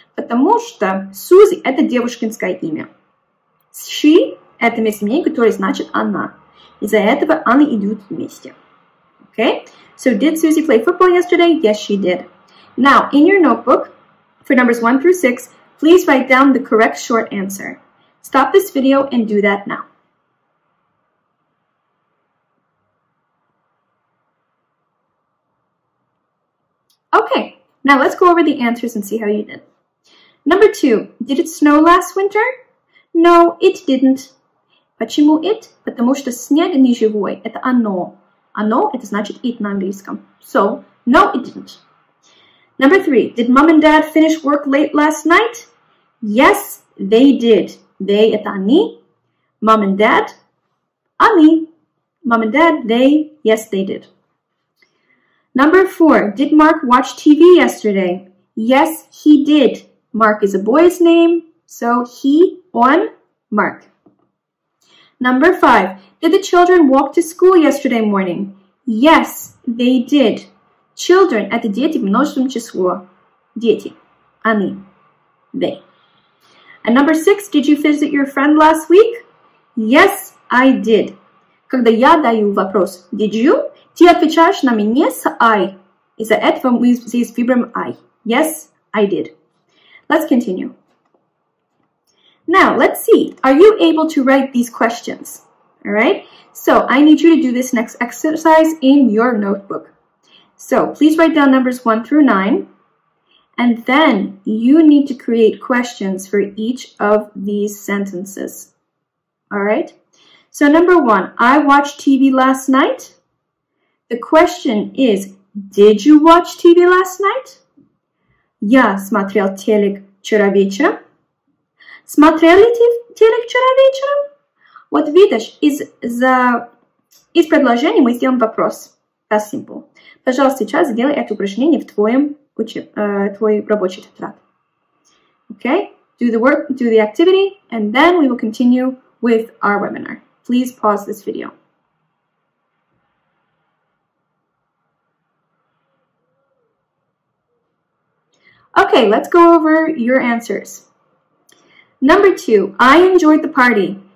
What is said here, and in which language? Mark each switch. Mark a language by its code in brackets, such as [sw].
[ru] Потому что Susie – это девушкинское имя. She – это местоимение, которое значит она. Из-за этого они идут вместе. [en] Okay? So, did Susie play football yesterday? Yes, she did. Now, in your notebook, for numbers 1 through 6, please write down the correct short answer. Stop this video and do that now. Okay, now let's go over the answers and see how you did. Number 2, did it snow last winter? No, it didn't. [ru] Почему [en] it? [ru] Потому что снег не живой. Это оно. Оно, это значит it на английском. [en] So, no, it didn't. Number 3, did mom and dad finish work late last night? Yes, they did. They, [ru] это они. [en] Mom and dad, [ru] они. [en] Mom and dad, they, yes, they did. Number 4, did Mark watch TV yesterday? Yes, he did. Mark is a boy's name, so he on Mark. Number 5, did the children walk to school yesterday morning? Yes, they did. [ru] Children, это дети в множественном числе. Дети, они, they. [en] And number 6, did you visit your friend last week? Yes, I did. [ru] Когда я даю вопрос, [en] did you? [ru] Ты отвечаешь на меня, [en] yes, I. [ru] Из-за этого мы здесь выбираем I. [en] Yes, I did. Let's continue. Now, let's see. Are you able to write these questions? All right? So, I need you to do this next exercise in your notebook. So, please write down numbers 1 through 9. And then you need to create questions for each of these sentences. All right? So number one, I watched TV last night. The question is, did you watch TV last night? [ru] Я смотрел телек вчера вечером. Смотрели телек вчера вечером? Вот видишь, из предложений мы сделаем вопрос. [en] That's simple. [ru] Пожалуйста, сейчас сделай это упражнение в твой рабочий тетрад. [en] Okay? Do the work, do the activity, and then we will continue with our webinar. Please pause this video. Okay, let's go over your answers. Number two, I enjoyed the party.